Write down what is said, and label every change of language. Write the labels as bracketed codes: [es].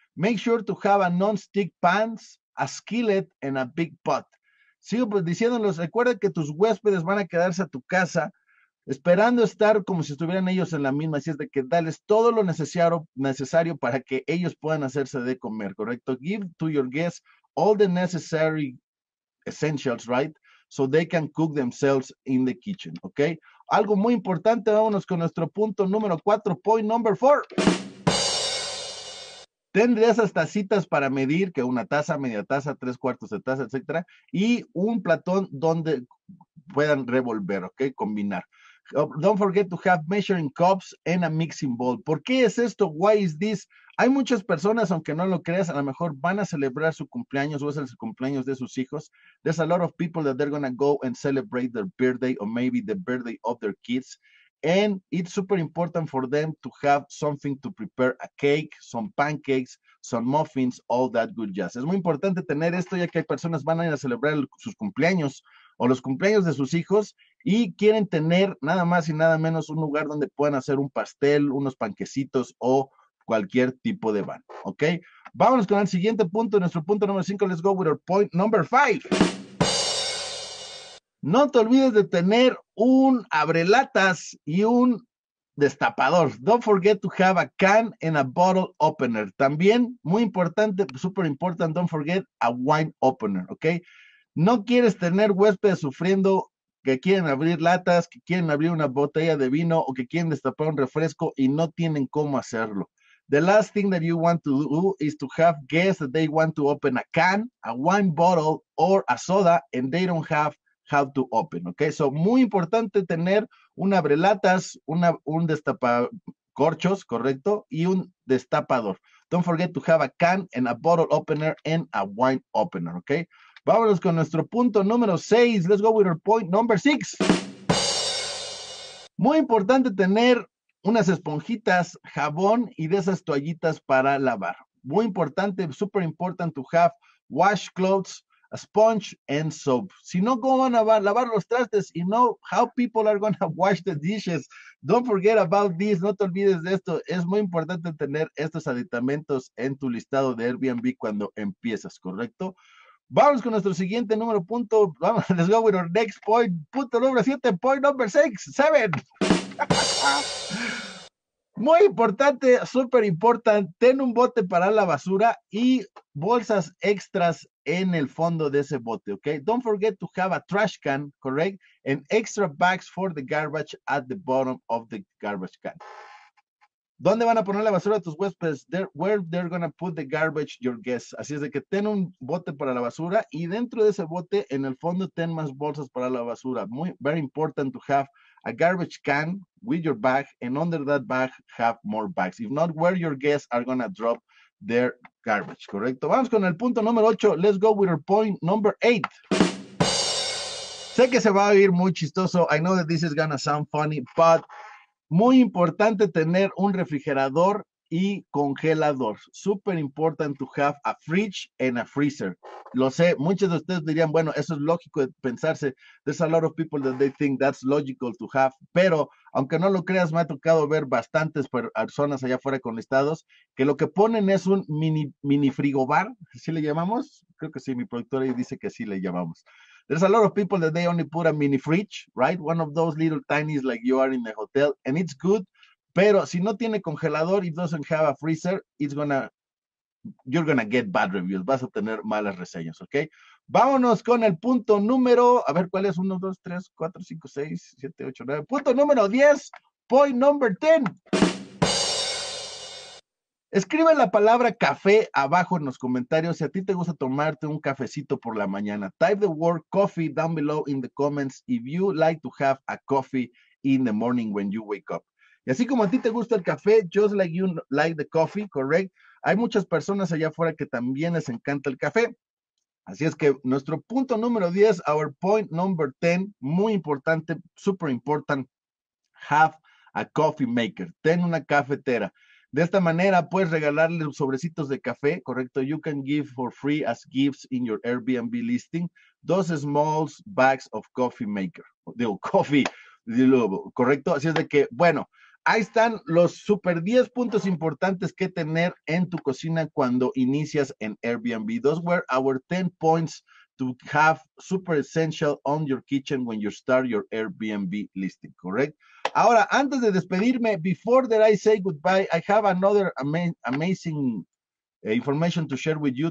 [en] Make sure to have a non-stick pans, a skillet, and a big pot. [es] Sigo pues diciéndoles, recuerda que tus huéspedes van a quedarse a tu casa esperando estar como si estuvieran ellos en la misma, así es de que dales todo lo necesario para que ellos puedan hacerse de comer, ¿correcto? [en] Give to your guests all the necessary essentials, right? So they can cook themselves in the kitchen, ¿ok? [es] Algo muy importante, vámonos con nuestro punto número 4, [en] point number 4. [es] Tendrías estas citas para medir, que una taza, media taza, tres cuartos de taza, etcétera, y un platón donde puedan revolver, ¿ok? Combinar. [en] Don't forget to have measuring cups and a mixing bowl. [es] ¿Por qué es esto? [en] Why is this? [es] Hay muchas personas, aunque no lo creas, a lo mejor van a celebrar su cumpleaños o es el cumpleaños de sus hijos. [en] There's a lot of people that they're going to go and celebrate their birthday or maybe the birthday of their kids. And it's super important for them to have something to prepare a cake, some pancakes, some muffins, all that good jazz. [es] Es muy importante tener esto ya que hay personas van a ir a celebrar sus cumpleaños o los cumpleaños de sus hijos y quieren tener nada más y nada menos un lugar donde puedan hacer un pastel, unos panquecitos o cualquier tipo de van, ¿ok? Vámonos con el siguiente punto, nuestro punto número 5, [en] let's go with our point number 5. [es] No te olvides de tener un abrelatas y un destapador. [en] Don't forget to have a can and a bottle opener. [es] También, muy importante, [en] super important, don't forget a wine opener, ¿ok? [es] No quieres tener huéspedes sufriendo que quieren abrir latas, que quieren abrir una botella de vino o que quieren destapar un refresco y no tienen cómo hacerlo. [en] The last thing that you want to do is to have guests that they want to open a can, a wine bottle, or a soda, and they don't have how to open, okay? [es] So, muy importante tener un abrelatas, un destapacorchos, correcto, y un destapador. [en] Don't forget to have a can and a bottle opener and a wine opener, okay? [es] Vámonos con nuestro punto número 6. [en] Let's go with our point number 6. [es] Muy importante tener unas esponjitas, jabón y de esas toallitas para lavar. Muy importante, [en] super important to have washcloths, a sponge and soap. [es] Si no, ¿cómo van a lavar los trastes? Y no, [en] how people are going to wash the dishes. Don't forget about this. [es] No te olvides de esto. Es muy importante tener estos aditamentos en tu listado de Airbnb cuando empiezas, ¿correcto? Vamos con nuestro siguiente número punto. Vamos, [en] let's go with our next point. [es] Punto número 7, [en] point number 6, 7. [es] Muy importante, super importante, ten un bote para la basura y bolsas extras en el fondo de ese bote, ¿ok? [en] Don't forget to have a trash can, correct? And extra bags for the garbage at the bottom of the garbage can. [es] ¿Dónde van a poner la basura tus huéspedes? [en] Where they're going to put the garbage, your guests. [es] Así es de que ten un bote para la basura y dentro de ese bote, en el fondo, ten más bolsas para la basura. Muy, [en] very important to have a garbage can with your bag and under that bag have more bags. If not, where your guests are going to drop their garbage, ¿correcto? [es] Vamos con el punto número 8. [en] Let's go with our point number 8. [es] Sé que se va a oír muy chistoso. [en] I know that this is going to sound funny, but [es] muy importante tener un refrigerador y congelador. [en] Super important to have a fridge and a freezer. [es] Lo sé, muchos de ustedes dirían, bueno, eso es lógico de pensarse. [en] There's a lot of people that they think that's logical to have. [es] Pero, aunque no lo creas, me ha tocado ver bastantes personas allá afuera con listados que lo que ponen es un mini frigobar. ¿Sí le llamamos? Creo que sí, mi productora dice que sí le llamamos. [en] There's a lot of people that they only put a mini fridge, right? One of those little tinies like you are in the hotel. And it's good. [es] Pero si no tiene congelador, [en] if doesn't have a freezer, you're gonna get bad reviews. [es] Vas a tener malas reseñas, ¿ok? Vámonos con el punto número, a ver, ¿cuál es? 1, 2, 3, 4, 5, 6, 7, 8, 9. Punto número 10, [en] point number 10. [es] Escribe la palabra café abajo en los comentarios si a ti te gusta tomarte un cafecito por la mañana. [en] Type the word coffee down below in the comments if you like to have a coffee in the morning when you wake up. [es] Y así como a ti te gusta el café, [en] just like you like the coffee, correct? [es] Hay muchas personas allá afuera que también les encanta el café. Así es que nuestro punto número 10, [en] our point number 10, [es] muy importante, [en] super important, have a coffee maker. [es] Ten una cafetera. De esta manera puedes regalarle sobrecitos de café, correcto? [en] You can give for free as gifts in your Airbnb listing, those small bags of coffee maker, digo, coffee, correcto? [es] Así es de que, bueno, Ahí están los super 10 puntos importantes que tener en tu cocina cuando inicias en Airbnb. [en] Those were our 10 points to have super essential on your kitchen when you start your Airbnb listing, correct? [es] Ahora, antes de despedirme, [en] before that I say goodbye, I have another amazing information to share with you.